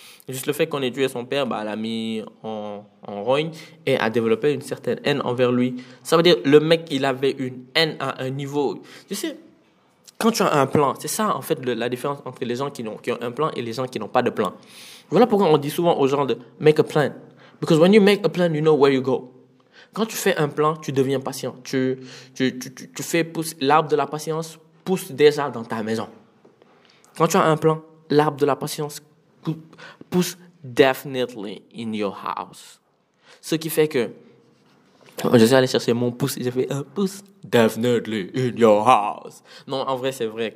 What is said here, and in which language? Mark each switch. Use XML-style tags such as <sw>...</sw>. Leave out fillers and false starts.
<fr>Juste le fait qu'on ait tué son père l'a mis en rogne et a développé une certaine haine envers lui. Ça veut dire le mec, il avait une haine à un niveau. Tu sais, quand tu as un plan, c'est ça en fait la différence entre les gens qui ont un plan et les gens qui n'ont pas de plan. Voilà pourquoi on dit souvent aux gens de «</fr> <en>make a plan ». Because when you make a plan, you know where you go.</en> <fr>Quand tu fais un plan, tu deviens patient. Tu fais pousser l'arbre de la patience, pousse déjà dans ta maison. Quand tu as un plan, l'arbre de la patience pousse</fr> <en>definitely in your house.</en> <fr>Ce qui fait que, je suis allé chercher mon pouce et j'ai fait un pouce</fr> <en>definitely in your house.</en> <fr>Non, en vrai, c'est vrai.</fr>